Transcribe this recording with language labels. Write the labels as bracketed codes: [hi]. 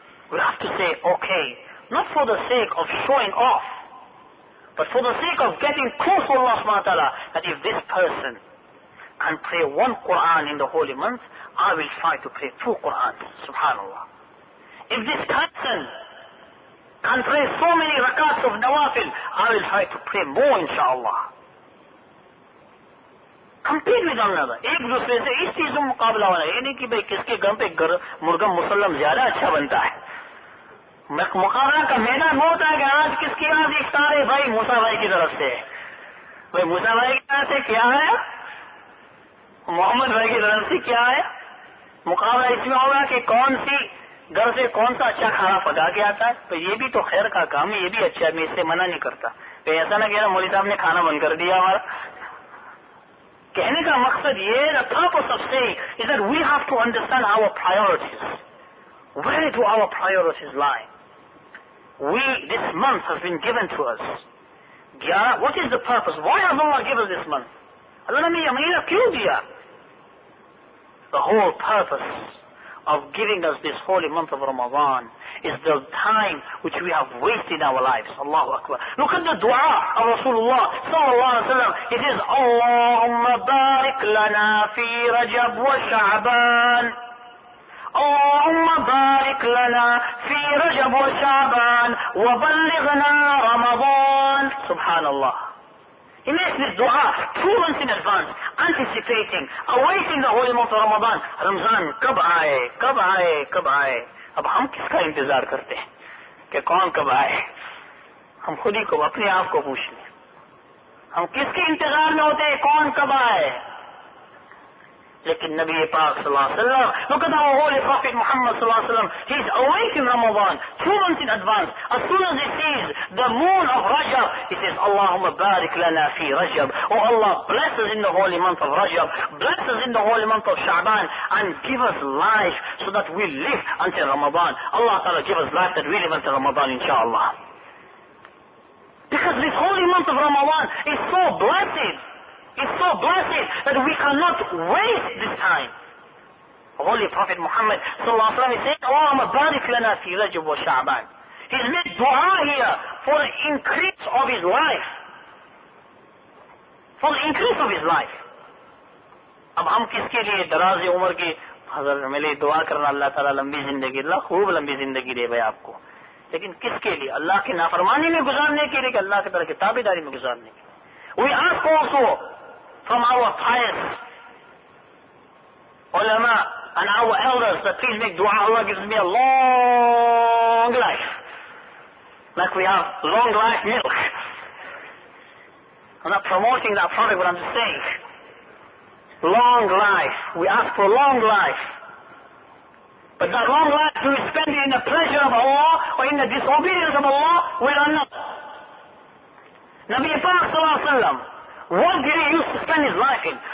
[en] We have to say, okay, not for the sake of showing off, but for the sake of getting close to Allah subhanahu wa ta'ala, that if this person can pray one Qur'an in the holy month, I will try to pray two Qur'ans, subhanAllah. If this person can pray so many rakats of nawafil, I will try to pray more, inshaAllah. Compete with another. [ur] ایک دوسرے سے اس چیز میں مقابلہ ہونا ہے. یہ نہیں کہ بھائی کس کے گھر پے مرغ مسلم زیادہ اچھا بنتا ہے. مقابلہ کا میدان وہ ہوتا ہے کہ آج کس کی آج ایک تار ہے بھائی موسیٰ بھائی کی طرف سے بھائی موسیٰ بھائی کی طرف سے کیا ہے محمد بھائی کی طرف سے کیا ہے مقابلہ اس میں ہوگا کہ کون سی گھر سے کون سا اچھا کھانا پکا کے آتا ہے تو یہ بھی تو خیر کا کام ہے یہ بھی اچھا ہے میں اس سے منع نہیں کرتا بھائی ایسا نہ کہنا مولوی صاحب نے کھانا بند کر دیا ہمارا کہنے کا مقصد یہ رکھا تو سب سے [en] Is that we have to understand our priorities where do our priorities lie We, this month has been given to us. Yeah, what is the purpose? Why has Allah given us this month? The whole purpose of giving us this holy month of Ramadan is the time which we have wasted in our lives. Allahu Akbar. Look at the dua of Rasulullah sallallahu alayhi wa sallam. It is, Allahumma barik lana fi Rajab wa Sha'ban. [ar] اللهم بارك لنا في رجب وشعبان وبلغنا رمضان سبحان الله [en] He makes this dua 2 months in advance, anticipating, awaiting the holy month of Ramadan. [ur] رمضان، کب آئے، کب آئے، کب آئے۔ اب ہم کس کا انتظار کرتے ہیں؟ کہ کون کب آئے؟ ہم خود ہی کو، اپنے آپ کو پوچھ لیں۔ ہم کس کے انتظار میں ہوتے ہیں؟ کون کب آئے؟ لیکن نبی پاک صلی اللہ علیہ وسلم [en] look at our holy prophet Muhammad صلی اللہ علیہ وسلم he is awake in Ramadan 2 months in advance as soon as he sees the moon of Rajab he says [ar] اللهم بارك لنا في رجب [en] oh Allah bless us in the holy month of Rajab bless us in the holy month of Sha'ban and give us life so that we live until Ramadan Allah تعالی give us life that we live until Ramadan inshallah because this holy month of Ramadan is so blessed It's so blessed that we cannot waste this time. Holy Prophet Muhammad sallallahu alaihi wasallam is saying, Allahumma barik lana fi Rajab wa Sha'ban. He's made dua here for the increase of his life. For the increase of his life. [ur] اب ہم کس کے لیے دراز عمر کی ہزار ملے دعا کرنا اللہ تعالیٰ لمبی زندگی اللہ خوب لمبی زندگی دے بھائی آپکو۔ لیکن کس کے لیے اللہ کی نافرمانی میں گزرنے کے لیے کہ اللہ کے تر کے تابعداری میں گزرنے کے۔ [en] We ask also from our pious ulama and our elders that please make dua Allah gives me a long life like we have long life milk I'm not promoting that product but I'm just saying long life we ask for long life but that long life do we spend it in the pleasure of Allah or in the disobedience of Allah we are not Nabi Pak sallallahu alayhi wa sallam What did he use to spend his life in?